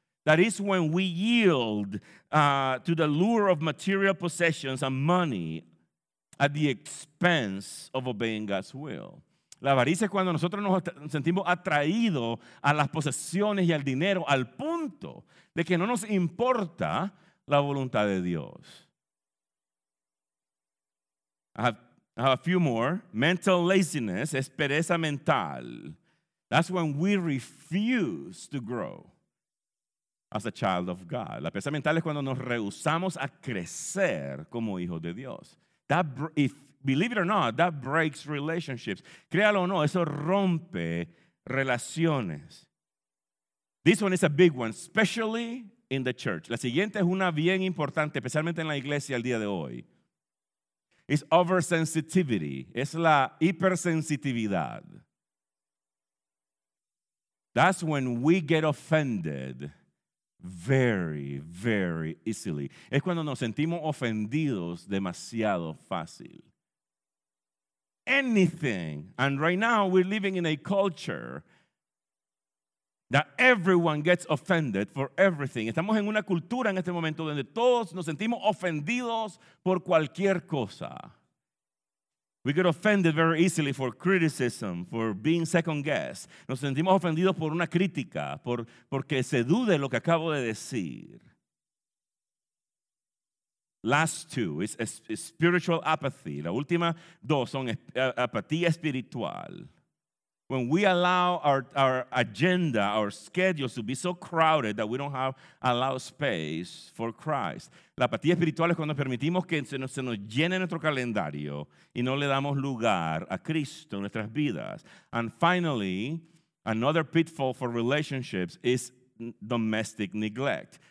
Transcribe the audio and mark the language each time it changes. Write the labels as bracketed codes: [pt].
[en] That is when we yield to the lure of material possessions and money at the expense of obeying God's will. [es] La avaricia es cuando nosotros nos sentimos atraídos a las posesiones y al dinero al punto de que no nos importa la voluntad de Dios. [en] I have a few more. Mental laziness [es] es pereza mental. [en] That's when we refuse to grow as a child of God. [es] La pereza mental es cuando nos rehusamos a crecer como hijos de Dios. [en] Believe it or not, that breaks relationships. [es] Créalo o no, eso rompe relaciones. [en] This one is a big one, especially in the church. [es] La siguiente es una bien importante, especialmente en la iglesia el día de hoy. [en] It's oversensitivity. [es] Es la hipersensitividad. [en] That's when we get offended very, very easily. [es] Es cuando nos sentimos ofendidos demasiado fácil. [en] Anything. And right now we're living in a culture that everyone gets offended for everything. [es] Estamos en una cultura en este momento donde todos nos sentimos ofendidos por cualquier cosa. [en] We get offended very easily for criticism, for being second-guessed. [es] Nos sentimos ofendidos por una crítica, porque se dude lo que acabo de decir. [en] Last two is spiritual apathy. [es] La última dos son apatía espiritual. [en] When we allow our agenda, our schedules to be so crowded that we don't have allowed space for Christ. [es] La apatía espiritual es cuando permitimos que se nos llene nuestro calendario y no le damos lugar a Cristo en nuestras vidas. [en] And finally, another pitfall for relationships is domestic neglect.